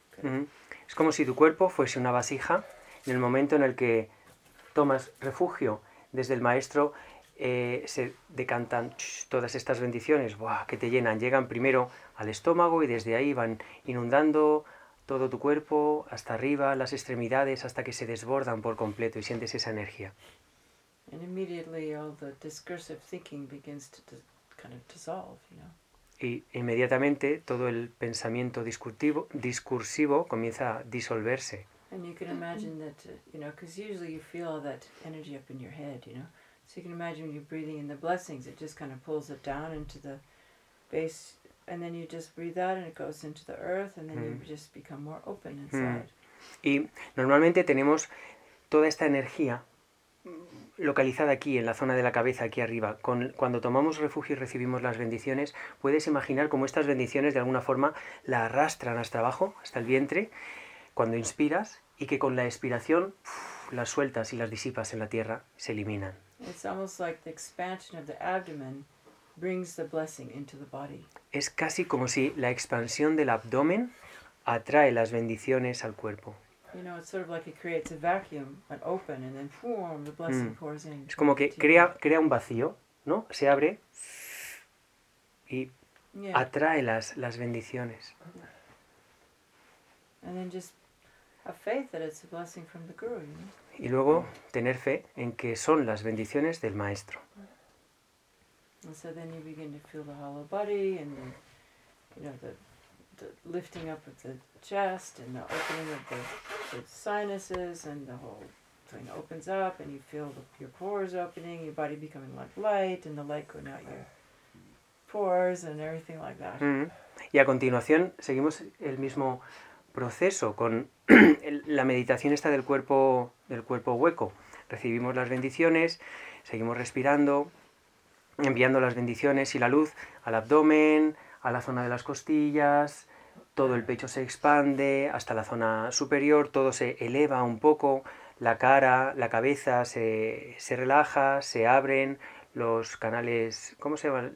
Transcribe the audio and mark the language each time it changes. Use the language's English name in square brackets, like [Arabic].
[English] Okay. Mm-hmm. [Spanish] Es como si tu cuerpo fuese una vasija. En el momento en el que tomas refugio desde el maestro, se decantan todas estas bendiciones, ¡buah!, que te llenan. Llegan primero al estómago y desde ahí van inundando todo tu cuerpo, hasta arriba, las extremidades, hasta que se desbordan por completo y sientes esa energía. [English] And immediately all the discursive thinking begins to kind of dissolve, you know? [Spanish] Y inmediatamente todo el pensamiento discursivo comienza a disolverse. [English] And you can imagine that, you know, because usually you feel all that energy up in your head, you know? So you can imagine when you're breathing in the blessings, it just kind of pulls it down into the base. And then you just breathe out and it goes into the earth and then you just become more open inside. [Spanish] Y normalmente tenemos toda esta energía localizada aquí, en la zona de la cabeza, aquí arriba. Cuando tomamos refugio y recibimos las bendiciones, puedes imaginar cómo estas bendiciones de alguna forma la arrastran hasta abajo, hasta el vientre, cuando inspiras, y que con la expiración las sueltas y las disipas en la tierra, se eliminan. [English] It's almost like the expansion of the abdomen brings the blessing into the body. [Spanish] Es casi como si la expansión del abdomen atrae las bendiciones al cuerpo. [English] You know, it's sort of like it creates a vacuum, an open, and then boom, the blessing pours in. [Spanish] Es como que crea un vacío, ¿no? Se abre y atrae las bendiciones. [English] And then just have faith that it's a blessing from the guru, you know? [Spanish] Y luego tener fe en que son las bendiciones del maestro. [English] And so then you begin to feel the hollow body and the, you know, the lifting up of the chest and the opening of the sinuses and the whole thing opens up and you feel your pores opening, your body becoming like light and the light going out your pores and everything like that. Mm-hmm. [Spanish] Y a continuación seguimos el mismo proceso con la meditación esta del cuerpo hueco. Recibimos las bendiciones, seguimos respirando, enviando las bendiciones y la luz al abdomen, a la zona de las costillas, todo el pecho se expande hasta la zona superior, todo se eleva un poco, la cara, la cabeza se relaja, se abren los canales, ¿cómo se llaman?